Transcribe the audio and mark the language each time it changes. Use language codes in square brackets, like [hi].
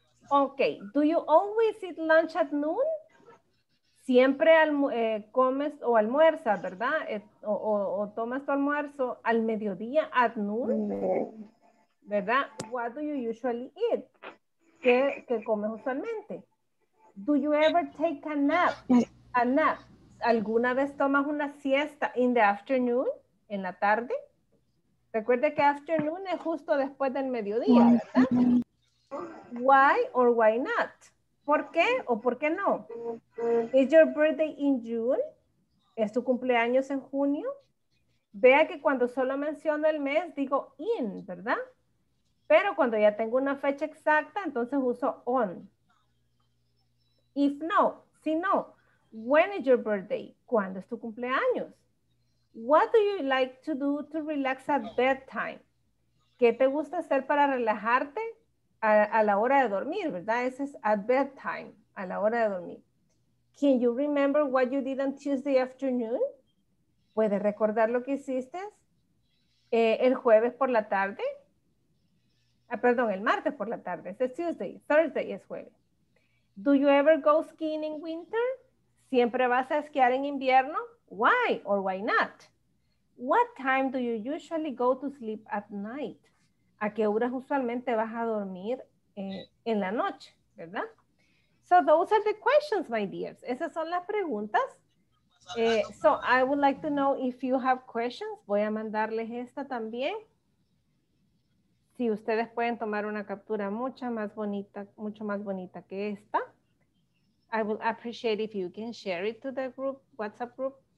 [en] Okay, do you always eat lunch at noon? [es] Siempre comes o almuerzas, ¿verdad? O tomas tu almuerzo al mediodía, [en] at noon, [es] ¿verdad? [en] What do you usually eat? [es] ¿Qué comes usualmente? [en] Do you ever take a nap? A nap. [es] ¿Alguna vez tomas una siesta [en] in the afternoon, [es] en la tarde? Recuerde que afternoon es justo después del mediodía, ¿verdad? [en] Why or why not? [es] ¿Por qué o por qué no? [en] Is your birthday in June? [es] ¿Es tu cumpleaños en junio? Vea que cuando solo menciono el mes, digo in, ¿verdad? Pero cuando ya tengo una fecha exacta, entonces uso on. [en] If no, [es] si no, [en] when is your birthday? [es] ¿Cuándo es tu cumpleaños? [en] What do you like to do to relax at bedtime? [es] ¿Qué te gusta hacer para relajarte a la hora de dormir, verdad? Ese es [en] at bedtime, [es] a la hora de dormir. [en] Can you remember what you did on Tuesday afternoon? [es] ¿Puedes recordar lo que hiciste el jueves por la tarde? Perdón, el martes por la tarde. Es Tuesday. Thursday es jueves. [en] Do you ever go skiing in winter? [es] ¿Siempre vas a esquiar en invierno? [en] Why or why not? What time do you usually go to sleep at night? [es] ¿A qué horas usualmente vas a dormir en la noche? [en] ¿Verdad? So those are the questions, my dears. [es] Esas son las preguntas. [en] So I would like to know if you have questions. [es] Voy a mandarles esta también. Si ustedes pueden tomar una captura mucho más bonita que esta. [en] I would appreciate if you can share it to the group, WhatsApp group.